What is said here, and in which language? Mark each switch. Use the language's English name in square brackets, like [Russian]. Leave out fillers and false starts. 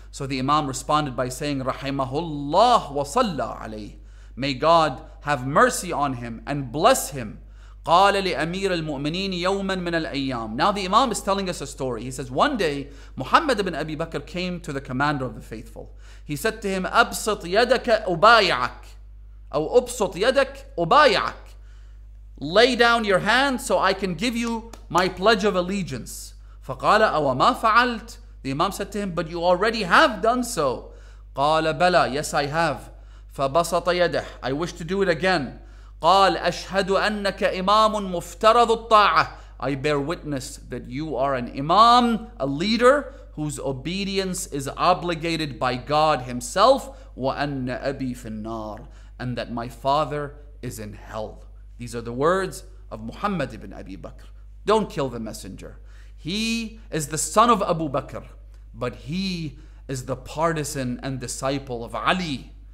[English] So the Imam responded by saying, [Arabic] Rahimahullah wa salla alayhi. [English] May God have mercy on him and bless him. [Arabic] قَالَ لِأَمِيرِ الْمُؤْمِنِينِ يَوْمًا مِنَ الْأَيَّامِ. [English] Now the Imam is telling us a story. He says, one day Muhammad ibn Abi Bakr came to the commander of the faithful. He said to him, [Arabic] أَبْسَطْ يَدَكَ أُبَايَعَكْ أو أَبْسَطْ يَدَكْ أُبَايَعَكْ. [English] Lay down your hand so I can give you my pledge of allegiance. [Arabic] فَقَالَ أَوَمَا فَعَلْتْ. [English] The Imam said to him, but you already have done so. [Arabic] قَالَ بَلَى. [English] Yes, I have. [Arabic] فَبَسَطَ يَدَهُ. [English] I wish to do it again. [Arabic] قَالَ أَشْهَدُ أَنَّكَ إِمَامٌ مُفْتَرَضُ الطَّاعَةِ. [English] I bear witness that you are an Imam, a leader whose obedience is obligated by God himself. [Arabic] وَأَنَّ أَبِي فِي النَّارِ. [English] and that my father is in hell. These are the words of Muhammad ibn Abi Bakr. Don't kill the messenger. He is the son of Abu Bakr, but he is the partisan and disciple of Ali.